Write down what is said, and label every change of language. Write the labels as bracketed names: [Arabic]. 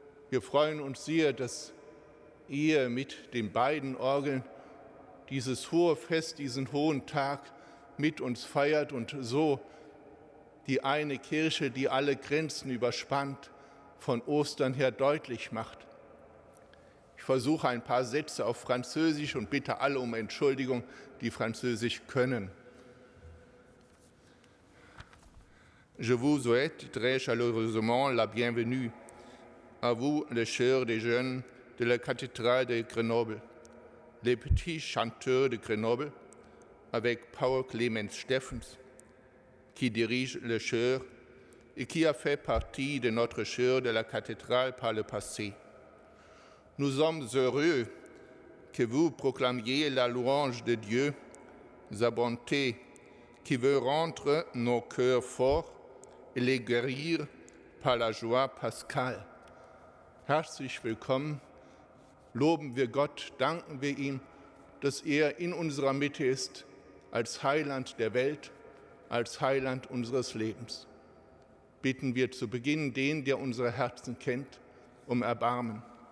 [German] Wir freuen uns sehr, dass ihr mit den beiden Orgeln dieses hohe Fest, diesen hohen Tag mit uns feiert und so die eine Kirche, die alle Grenzen überspannt, von Ostern her deutlich macht. Ich versuche ein paar Sätze auf Französisch und bitte alle um Entschuldigung, die Französisch können. [French] Je vous souhaite très chaleureusement la bienvenue à vous, les chers des jeunes de la cathédrale de Grenoble, les petits chanteurs de Grenoble, avec Paul Clemens Steffens, qui dirige le chœur et qui a fait partie de notre chœur de la cathédrale par le passé. Nous sommes heureux que vous proclamiez la louange de Dieu, sa bonté, qui veut rendre nos cœurs forts et les guérir par la joie pascale. [German] Herzlich willkommen. Loben wir Gott, danken wir ihm, dass er in unserer Mitte ist, als Heiland der Welt, als Heiland unseres Lebens. Bitten wir zu Beginn den, der unsere Herzen kennt, um Erbarmen.